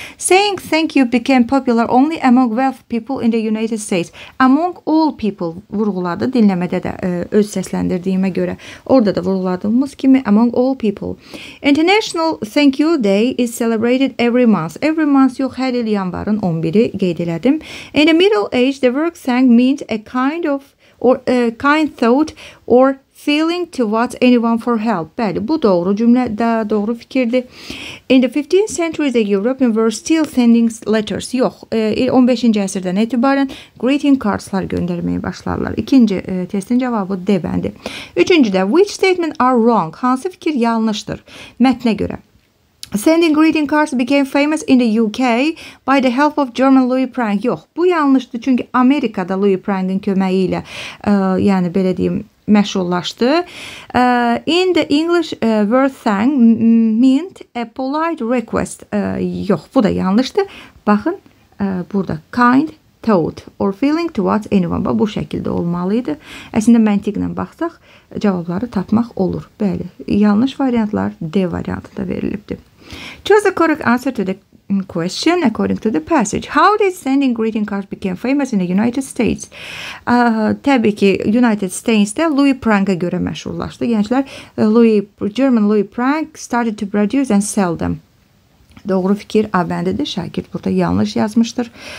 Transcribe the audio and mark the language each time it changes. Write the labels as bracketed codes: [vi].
[en] Saying thank you became popular only among wealthy people in the United States. Among all people [az] vurguladı. Dinləmədə də öz səsləndirdiyimə görə. Orada da vurguladığımız kimi [en] among all people. International Thank You Day is celebrated every month. Every month [az] yox. Hər il yanvarın 11-i qeyd elədim. [en] In the middle age, the word thank means a kind of or a kind thought or feeling towards anyone for help. [az] Bəli, bu doğru cümlə, doğru fikirdir. [en] In the 15th century, the Europeans were still sending letters. [az] Yox, 15-ci əsrdən etibarən greeting cards-lar göndərməyə başlarlar. İkinci testin cavabı D bəndi. Üçüncüdə, [en] which statement are wrong? [az] Hansı fikir yanlışdır? Mətnə görə. [en] Sending greeting cards became famous in the UK by the help of German Louis Prank. [az] Yox, bu yanlışdır, çünki Amerikada Louis Prank-ın köməyi ilə, yəni belə deyim, məşhurlaşdı. [en] In the English word thank meant a polite request. [az] Yox, bu da yanlışdır. Baxın, burada [en] kind thought or feeling towards anyone. [az] Bu şəkildə olmalıydı. Əslində, məntiqlə baxsaq, cavabları tapmaq olur. Bəli, yanlış variantlar D variantında verilibdir. [en] Choose the correct answer to the question according to the passage. How did sending greeting cards become famous in the United States? [az] Təbii ki, United States-də Louis Prank-a görə məşhurlaşdı. Gənclər, [en] German Louis Prank started to produce and sell them. [az] Doğru fikir A bəndidir. Şagird burada yanlış yazmışdır.